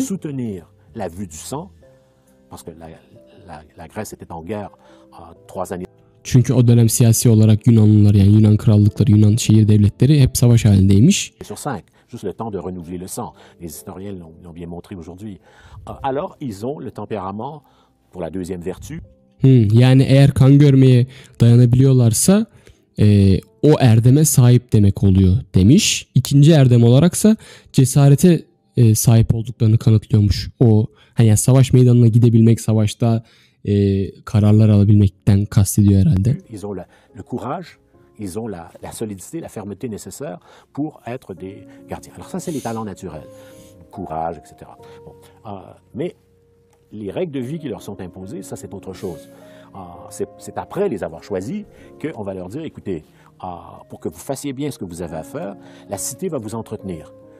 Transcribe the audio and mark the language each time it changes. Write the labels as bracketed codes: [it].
[fr] soutenir la vue du sang parce que la Grèce était en guerre 3 années. [tr] Çünkü o dönem siyasi olarak Yunanlılar, yani Yunan krallıkları, Yunan şehir devletleri hep savaş halindeymiş. [fr] Juste le temps de renouveler le sang. Les historiens l'ont bien montré aujourd'hui. Alors ils ont le tempérament pour la deuxième vertu. [tr] Yani eğer kan görmeye dayanabiliyorlarsa o erdeme sahip demek oluyor demiş. İkinci erdem olaraksa cesarete sahip olduklarını kanıtlıyormuş. O hani savaş meydanına gidebilmek, savaşta kararlar alabilmekten kastediyor herhalde. [fr] Ils ont le courage, ils ont la solidité, la fermeté nécessaire pour être des gardiens. Alors ça c'est les talents naturels, courage, etc. Bon, mais les règles de vie qui leur sont imposées, ça c'est autre chose. C'est après les avoir choisis que on va leur dire, écoutez, pour que vous fassiez bien ce que vous avez à faire, la cité va vous entretenir.